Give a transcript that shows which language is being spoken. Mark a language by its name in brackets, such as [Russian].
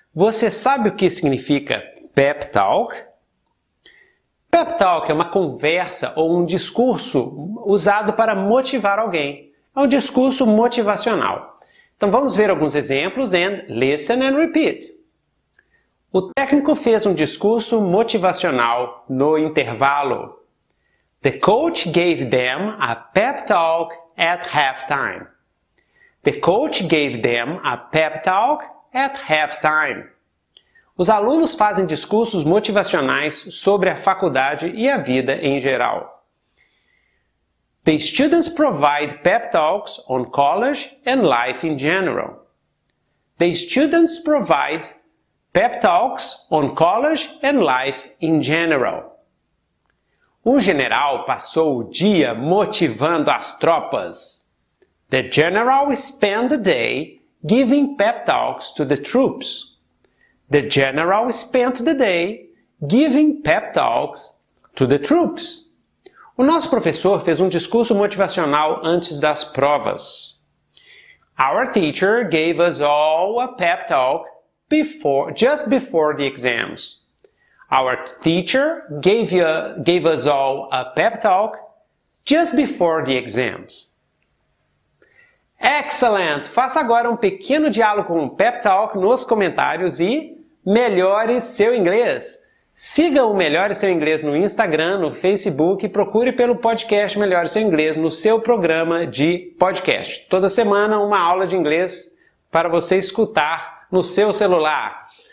[Portuguese] Você sabe o que significa pep talk? Pep talk é uma conversa ou um discurso usado para motivar alguém. É um discurso motivacional. Então vamos ver alguns exemplos [English] and listen and repeat. [Portuguese] O técnico fez um discurso motivacional no intervalo. [English] The coach gave them a pep talk at halftime. The coach gave them a pep talk at halftime. [Portuguese] Os alunos fazem discursos motivacionais sobre a faculdade e a vida em geral. [English] The students provide pep talks on college and life in general. The students provide pep talks on college and life in general. [Portuguese] O general passou o dia motivando as tropas. [English] The general spent the day giving pep talks to the troops. The general spent the day giving pep talks to the troops. [Portuguese] O nosso professor fez um discurso motivacional antes das provas. [English] Our teacher gave us all a pep talk just before the exams. Our teacher gave us all a pep talk just before the exams. Excellent! [Portuguese] Faça agora um pequeno diálogo com o Pep Talk nos comentários e melhore seu inglês! Siga o Melhore Seu Inglês no Instagram, no Facebook e procure pelo podcast Melhore Seu Inglês no seu programa de podcast. Toda semana uma aula de inglês para você escutar no seu celular.